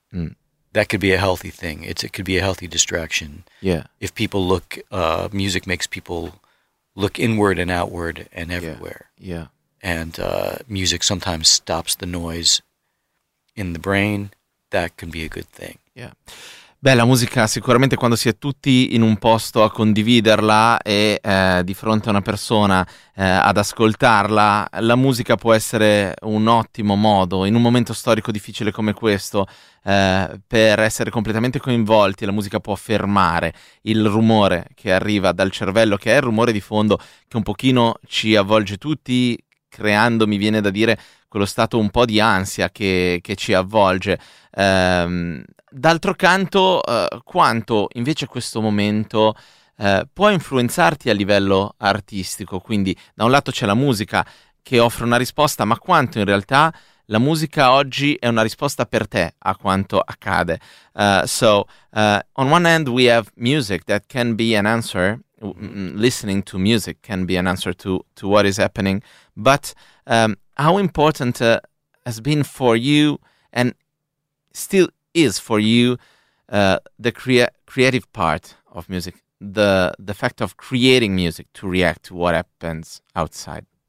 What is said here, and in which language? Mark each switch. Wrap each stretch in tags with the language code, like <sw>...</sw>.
<en>Mm. That could be a healthy thing. It could be a healthy distraction. Yeah. If people look, music makes people look inward and outward and everywhere. Yeah. And music sometimes stops the noise in the brain. That can be a good thing. Yeah.</en> <it>Beh, la musica sicuramente, quando si è tutti in un posto a condividerla e di fronte a una persona ad ascoltarla, la musica può essere un ottimo modo, in un momento storico difficile come questo, per essere completamente coinvolti. La musica può fermare il rumore che arriva dal cervello, che è il rumore di fondo che un pochino ci avvolge tutti, creando, mi viene da dire, quello stato un po' di ansia che ci avvolge. D'altro canto, quanto invece questo momento può influenzarti a livello artistico? Quindi, da un lato c'è la musica che offre una risposta, ma quanto in realtà la musica oggi è una risposta per te a quanto accade?</it> <en>On one end we have music that can be an answer. Listening to music can be an answer to what is happening, but how important has been for you, and still is for you, the creative part of music, the fact of creating music to react to what happens outside?</en>